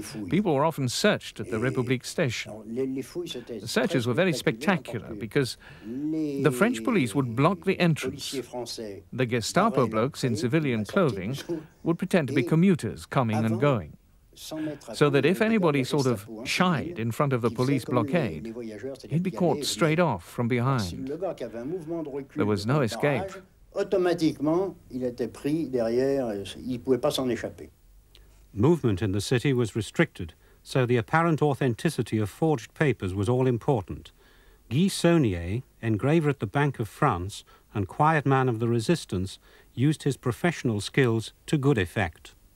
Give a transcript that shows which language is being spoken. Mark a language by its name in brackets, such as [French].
[English] People were often searched at the République station. The searches were very spectacular because the French police would block the entrance. The Gestapo blokes in civilian clothing would pretend to be commuters coming and going. so that if anybody sort of shied in front of the police blockade, he'd be caught straight off from behind. There was no escape. [French] Automatiquement, il était pris derrière, il pouvait pas s'en échapper. [English] Movement in the city was restricted, so the apparent authenticity of forged papers was all important. Guy Saunier, engraver at the Bank of France and quiet man of the resistance, used his professional skills to good effect.